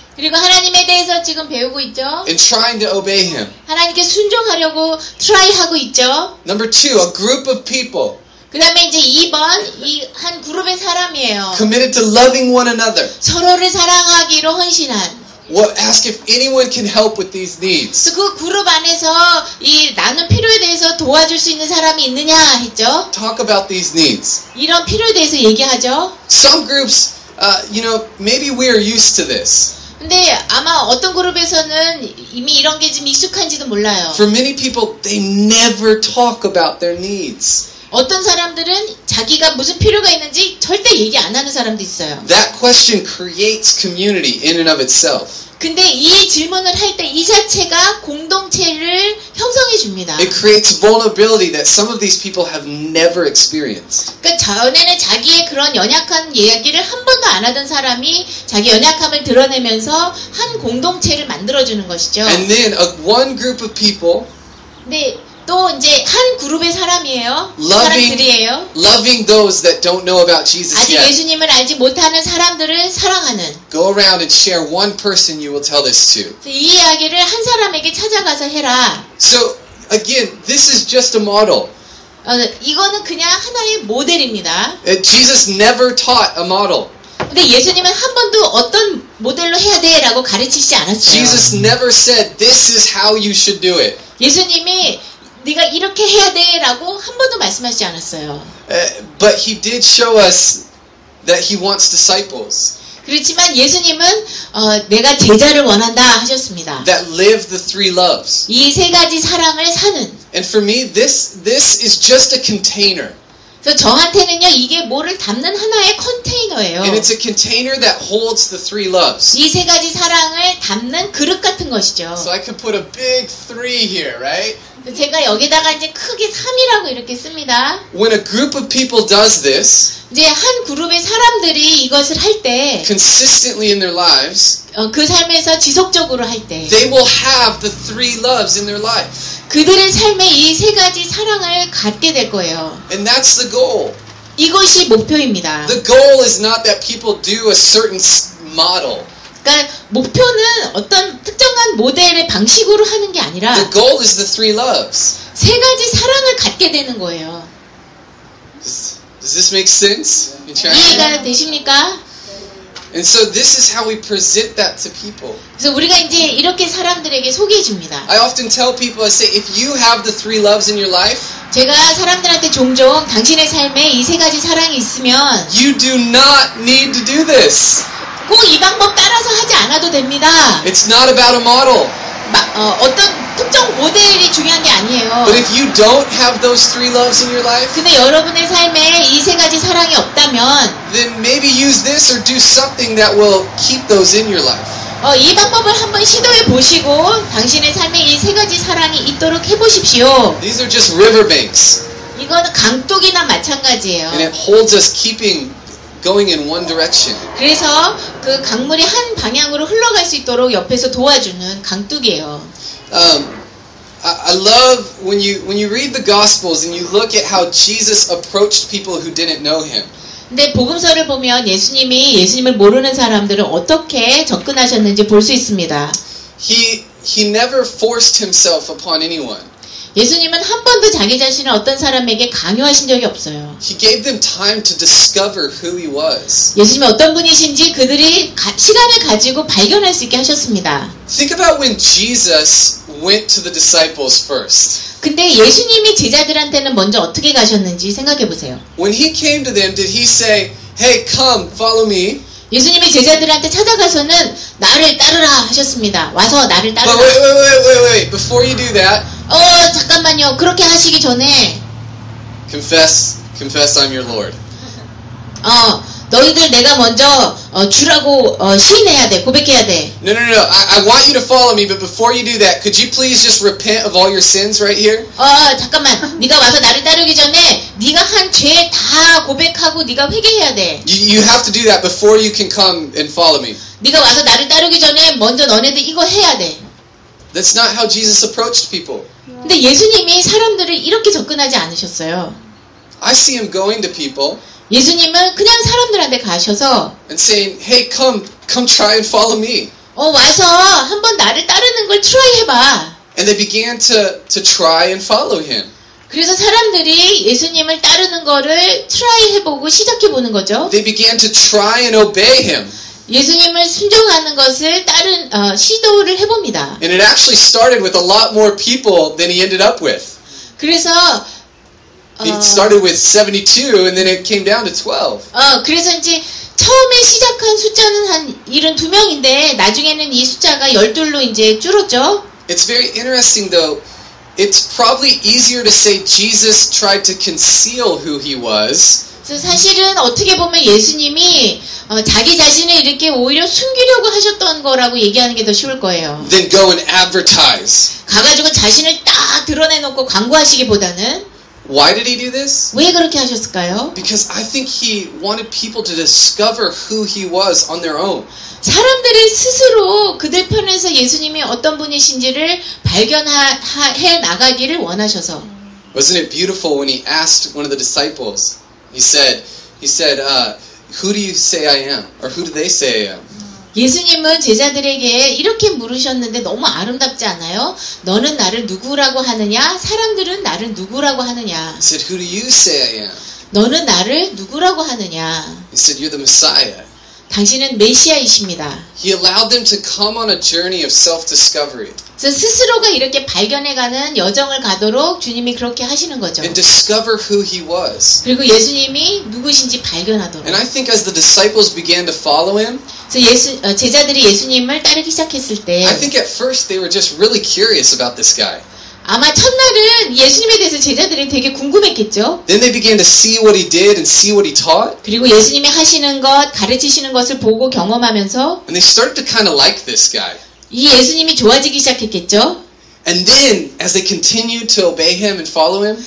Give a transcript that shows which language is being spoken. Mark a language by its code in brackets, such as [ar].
[ko] 그리고 하나님에 대해서 지금 배우고 있죠. [en] And trying to obey Him. [ko] 하나님께 순종하려고 try 하고 있죠. [en] Number two, a group of people. [ko] 그 다음에 이제 2번, 이 한 그룹의 사람이에요. [en] Committed to loving one another. [ko] 서로를 사랑하기로 헌신한. [en] What, ask if anyone can help with these needs. [ko] 그 그룹 안에서 이 나는 필요에 대해서 도와줄 수 있는 사람이 있느냐 했죠. [en] Talk about these needs. [ko] 이런 필요에 대해서 얘기하죠. [en] Some groups, you know, maybe we are used to this. [ko] 근데 아마 어떤 그룹에서는 이미 이런 게 좀 익숙한지도 몰라요. [en] For many people, they never talk about their needs. [ko] 어떤 사람들은 자기가 무슨 필요가 있는지 절대 얘기 안 하는 사람도 있어요. [en] That question creates community in and of itself. [ko] 근데 이 질문을 할 때 이 자체가 공동체를 형성해 줍니다. [en] It creates vulnerability that some of these people have never experienced. [ko] 그 전에는 자기의 그런 연약한 이야기를 한 번도 안 하던 사람이 자기 연약함을 드러내면서 한 공동체를 만들어 주는 것이죠. [en] And then a one group of people. [ko] 네. 또 이제 한 그룹의 사람이에요. 사람들이에요. [en] Loving those that don't know about Jesus yet. [ko] 아직 예수님을 알지 못하는 사람들을 사랑하는. [en] Go around and share one person you will tell this to. [ko] 이 이야기를 한 사람에게 찾아가서 해라. [en] So again, this is just a model. [ko] 이거는 그냥 하나의 모델입니다. [en] Jesus never taught a model. [ko] 근데 예수님은 한 번도 어떤 모델로 해야 돼라고 가르치시지 않았어요. [en] Jesus never said this is how you should do it. [ko] 예수님이 네가 이렇게 해야 돼라고 한 번도 말씀하시지 않았어요. [en] But he did show us that he wants disciples. [ko] 그렇지만 예수님은 내가 제자를 원한다 하셨습니다. [en] That live the three loves. [ko] 이 세 가지 사랑을 사는. [en] And for me, this is just a container. [ko] 그래서 저한테는요 이게 뭐를 담는 하나의 컨테이너예요. [en] And it's a container that holds the three loves. [ko] 이 세 가지 사랑을 담는 그릇 같은 것이죠. [en] So I can put a big three here, right? [ko] 제가 여기다가 이제 크게 3이라고 이렇게 씁니다. [en] When a group of people does this, [ko] 이제 한 그룹의 사람들이 이것을 할 때, [en] consistently in their lives, [ko] 그 삶에서 지속적으로 할 때, [en] they will have the three loves in their life. [ko] 그들의 삶에 이 세 가지 사랑을 갖게 될 거예요. [en] And that's the goal. [ko] 이것이 목표입니다. [en] The goal is not that people do a certain model. [ko] 그러니까 목표는 어떤 특정한 모델의 방식으로 하는 게 아니라 [en] the goal is the three loves. [ko] 세 가지 사랑을 갖게 되는 거예요. [en] Does this make sense? [ko] 이해가 되십니까? [en] And so this is how we present that to people. [ko] 그래서 우리가 이제 이렇게 사람들에게 소개해 줍니다. [en] I often tell people, I say, if you have the three loves in your life, [ko] 제가 사람들한테 종종 당신의 삶에 이 세 가지 사랑이 있으면 [en] you do not need to do this. [ko] 꼭 이 방법 따라서 하지 않아도 됩니다. [en] It's not about a model. [ko] 어떤 특정 모델이 중요한 게 아니에요. [en] But if you don't have those three loves in your life, [ko] 근데 여러분의 삶에 이 세 가지 사랑이 없다면, [en] then maybe use this or do something that will keep those in your life. [ko] 이 방법을 한번 시도해 보시고 당신의 삶에 이 세 가지 사랑이 있도록 해 보십시오. [en] These are just riverbanks. [ko] 이거는 강둑이나 마찬가지예요. [en] And it holds us keeping going in one direction. [ko] 그래서 그 강물이 한 방향으로 흘러갈 수 있도록 옆에서 도와주는 강둑이에요. [en] I love when you read the Gospels and you look at how Jesus approached people who didn't know him. [ko] 근데 복음서를 보면 예수님을 모르는 사람들을 어떻게 접근하셨는지 볼 수 있습니다. [en] He never forced himself upon anyone. [ko] 예수님은 한 번도 자기 자신을 어떤 사람에게 강요하신 적이 없어요. [en] He gave them time to discover who he was. [ko] 예수님이 어떤 분이신지 그들이 시간을 가지고 발견할 수 있게 하셨습니다. [en] Think about when Jesus went to the disciples first. [ko] 근데 예수님이 제자들한테는 먼저 어떻게 가셨는지 생각해 보세요. [en] When he came to them, did he say, "Hey, come, follow me"? [ko] 예수님이 제자들한테 찾아가서는 나를 따르라 하셨습니다. 와서 나를 따르라. [en] But wait. Before you do that. [ko] 잠깐만요. 그렇게 하시기 전에 [en] Confess I'm your Lord. [ko] 너희들 내가 먼저 주라고 시인해야 돼. 고백해야 돼. [en] No. I want you to follow me, but before you do that, could you please just repent of all your sins right here? [ko] 잠깐만. 네가 와서 나를 따르기 전에 네가 한 죄 다 고백하고 네가 회개해야 돼. [en] You have to do that before you can come and follow me. [ko] 네가 와서 나를 따르기 전에 먼저 너네들 이거 해야 돼. [en] That's not how Jesus approached people. [ko] 근데 예수님이 사람들을 이렇게 접근하지 않으셨어요. [en] I see him going to people. [ko] 예수님은 그냥 사람들한테 가셔서 [en] and saying, "Hey, come try and follow me." [ko] 와서 한번 나를 따르는 걸 try 해 봐. [en] And they began to try and follow him. [ko] 그래서 사람들이 예수님을 따르는 거를 try 해 보고 시작해 보는 거죠. [en] They began to try and obey him. [ko] 예수님을 순종하는 것을 따른 시도를 해 봅니다. [en] And it actually started with a lot more people than he ended up with. [ko] 그래서 [en] It started with 72 and then it came down to 12. [ko] 그래서 이제 처음에 시작한 숫자는 한 72명인데 나중에는 이 숫자가 12로 이제 줄었죠. [en] It's very interesting though. It's probably easier to say Jesus tried to conceal who he was. [ko] 사실은 어떻게 보면 예수님이 자기 자신을 이렇게 오히려 숨기려고 하셨던 거라고 얘기하는 게 더 쉬울 거예요. [en] Then go and advertise. [ko] 가가지고 자신을 딱 드러내놓고 광고하시기보다는 [en] Why did he do this? [ko] 왜 그렇게 하셨을까요? [en] Because I think he wanted people to discover who he was on their own. [ko] 사람들이 스스로 그들 편에서 예수님이 어떤 분이신지를 발견해 나가기를 원하셔서. [en] Wasn't it beautiful when he asked one of the disciples? He said, "Who do you say I am?" Or who do they say I am? [ko] 예수님은 제자들에게 이렇게 물으셨는데 너무 아름답지 않아요? 너는 나를 누구라고 하느냐? 사람들은 나를 누구라고 하느냐? [en] He said, "Who do you say I am?" [ko] 너는 나를 누구라고 하느냐? [en] He said, "You're the Messiah." [ko] 당신은 메시아이십니다. [en] He allowed them to come on a journey of self-discovery. [ko] 스스로가 이렇게 발견해가는 여정을 가도록 주님이 그렇게 하시는 거죠. [en] And discover who he was. [ko] 그리고 예수님이 누구신지 발견하도록. [en] And I think as the disciples began to follow him, [ko] 제자들이 예수님을 따르기 시작했을 때, [en] I think at first they were just really curious about this guy. [ko] 아마 첫날은 예수님에 대해서 제자들이 되게 궁금했겠죠. [en] Then they began to see what he did and see what he taught. [ko] 그리고 예수님이 하시는 것, 가르치시는 것을 보고 경험하면서 [en] And they started to kind of like this guy. [ko] 이 예수님이 좋아지기 시작했겠죠. [en] And then as they continued to obey him and follow him.